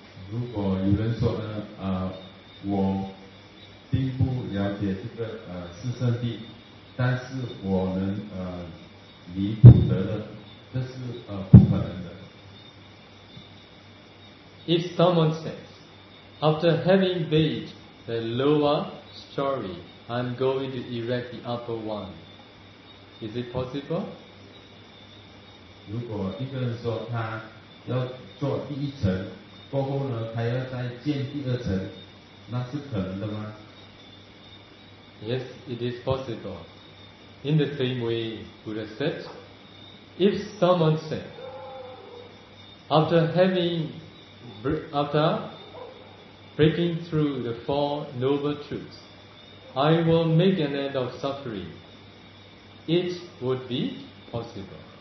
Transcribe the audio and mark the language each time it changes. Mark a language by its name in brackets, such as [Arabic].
[Chinese] 如果有人说呢，我并不了解这个四圣谛，但是我能离苦得乐，这是不可能的。 [English] If someone says, after having bathed the lower story, I'm going to erect the upper one, is it possible? [Chinese] 如果一个人说他要做第一层，过后呢，他要再建第二层，那是可能的吗？ [English] Yes, it is possible. In the same way, Buddha said, if someone said, after breaking through the four noble truths, I will make an end of suffering, it would be possible.